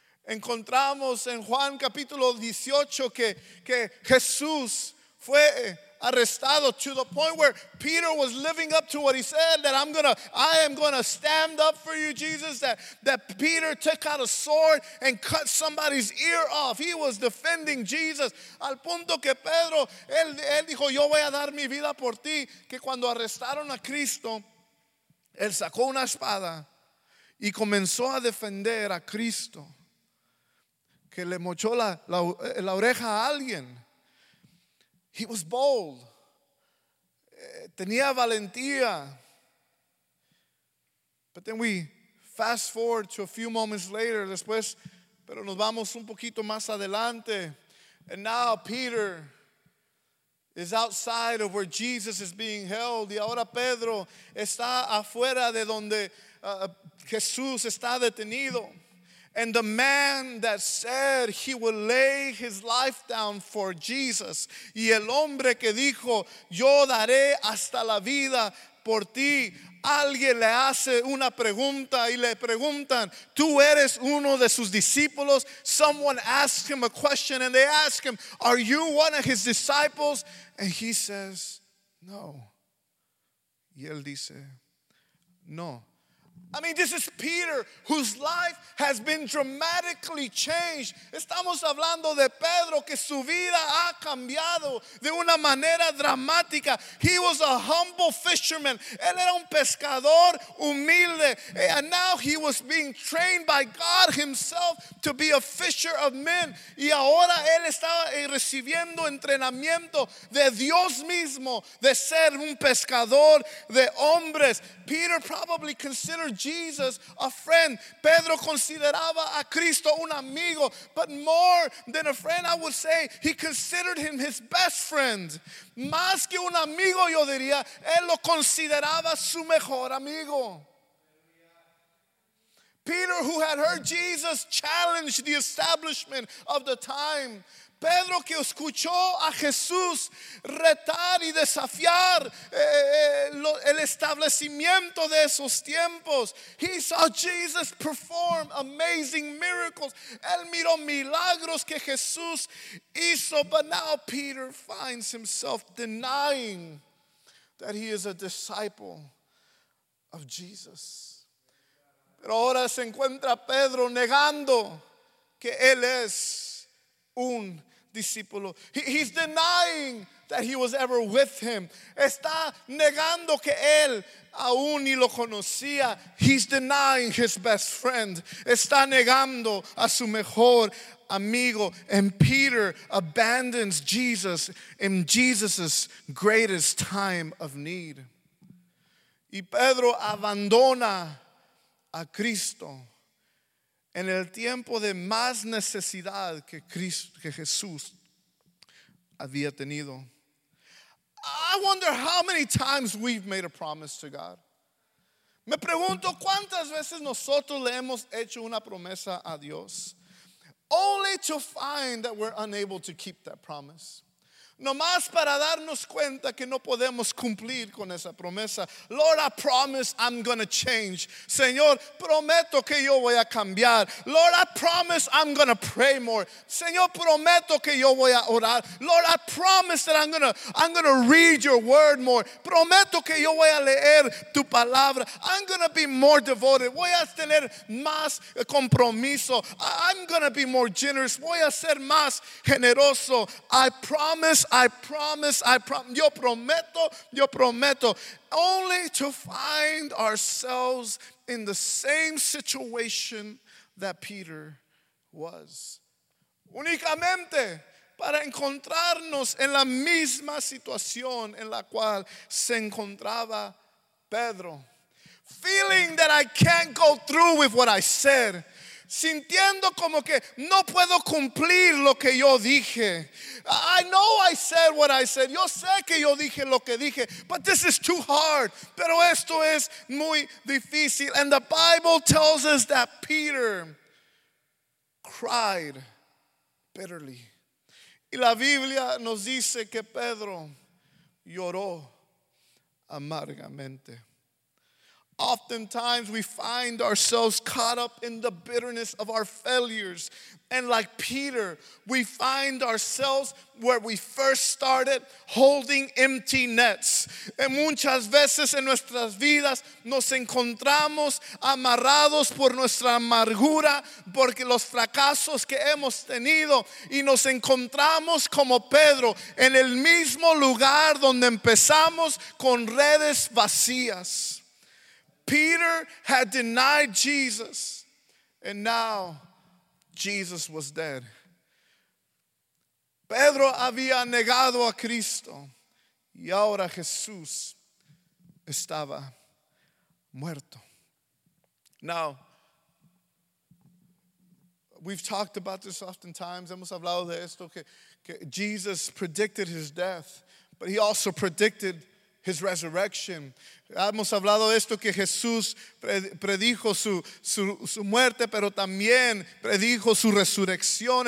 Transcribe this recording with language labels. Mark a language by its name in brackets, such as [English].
[Spanish] Encontramos en Juan capítulo 18 que Jesús fue arrestado, [English] to the point where Peter was living up to what he said, that I am gonna stand up for you, Jesus. That Peter took out a sword and cut somebody's ear off. He was defending Jesus. [Spanish] Al punto que Pedro, él dijo, yo voy a dar mi vida por ti. Que cuando arrestaron a Cristo, él sacó una espada y comenzó a defender a Cristo. Que le mochó la oreja a alguien. [English] He was bold. [Spanish] Tenía valentía. [English] But then we fast forward to a few moments later. [Spanish] Después, pero nos vamos un poquito más adelante. [English] And now Peter is outside of where Jesus is being held. [Spanish] Y ahora Pedro está afuera de donde Jesús está detenido. [English] And the man that said he would lay his life down for Jesus. [Spanish] Y el hombre que dijo, yo daré hasta la vida por ti. Alguien le hace una pregunta y le preguntan, ¿tú eres uno de sus discípulos? [English] Someone asks him a question and they ask him, are you one of his disciples? And he says, no. [Spanish] Y él dice, no. [English] I mean, this is Peter, whose life has been dramatically changed. [Spanish] Estamos hablando de Pedro, que su vida ha cambiado de una manera dramática. [English] He was a humble fisherman. [Spanish] Él era un pescador humilde. [English] And now he was being trained by God himself to be a fisher of men. [Spanish] Y ahora él estaba recibiendo entrenamiento de Dios mismo, de ser un pescador de hombres. [English] Peter probably considered Jesus a friend. [Spanish] Pedro consideraba a Cristo un amigo. [English] But more than a friend, I would say he considered him his best friend. [Spanish] Más que un amigo, yo diría, él lo consideraba su mejor amigo. [English] Peter, who had heard Jesus challenge the establishment of the time. [Spanish] Pedro, que escuchó a Jesús retar y desafiar el establecimiento de esos tiempos. [English] He saw Jesus perform amazing miracles. [Spanish] Él miró milagros que Jesús hizo. [English] But now Peter finds himself denying that he is a disciple of Jesus. [Spanish] Pero ahora se encuentra Pedro negando que él es un discípulo. [English] He's denying that he was ever with him. [Spanish] Está negando que él aún ni lo conocía. [English] He's denying his best friend. [Spanish] Está negando a su mejor amigo. [English] And Peter abandons Jesus in Jesus's greatest time of need. [Spanish] Y Pedro abandona a Cristo en el tiempo de más necesidad que Jesús había tenido. [English] I wonder how many times we've made a promise to God. [Spanish] Me pregunto cuántas veces nosotros le hemos hecho una promesa a Dios, [English] only to find that we're unable to keep that promise. [Spanish] Nomás para darnos cuenta que no podemos cumplir con esa promesa. [English] Lord, I promise I'm going to change. [Spanish] Señor, prometo que yo voy a cambiar. [English] Lord, I promise I'm going to pray more. [Spanish] Señor, prometo que yo voy a orar. [English] Lord, I promise that I'm going to read your word more. [Spanish] Prometo que yo voy a leer tu palabra. [English] I'm going to be more devoted. [Spanish] Voy a tener más compromiso. [English] I'm going to be more generous. [Spanish] Voy a ser más generoso. [English] I promise, [Spanish] yo prometo, [English] only to find ourselves in the same situation that Peter was. [Spanish] Únicamente para encontrarnos en la misma situación en la cual se encontraba Pedro. [English] Feeling that I can't go through with what I said. [Spanish] Sintiendo como que no puedo cumplir lo que yo dije. [English] I know I said what I said. [Spanish] Yo sé que yo dije lo que dije. [English] But this is too hard. [Spanish] Pero esto es muy difícil. [English] And the Bible tells us that Peter cried bitterly. [Spanish] Y la Biblia nos dice que Pedro lloró amargamente. [English] Oftentimes we find ourselves caught up in the bitterness of our failures. And like Peter, we find ourselves where we first started, holding empty nets. [Spanish] Y muchas veces en nuestras vidas nos encontramos amarrados por nuestra amargura, porque los fracasos que hemos tenido, y nos encontramos como Pedro en el mismo lugar donde empezamos, con redes vacías. [English] Peter had denied Jesus, and now Jesus was dead. [Spanish] Pedro había negado a Cristo, y ahora Jesús estaba muerto. [English] Now, we've talked about this oftentimes. [Spanish] Hemos hablado de esto, que [English] Jesus predicted his death. but he also predicted his resurrection. [Spanish] Hemos hablado de esto que Jesús predijo su muerte, pero también predijo su resurrección.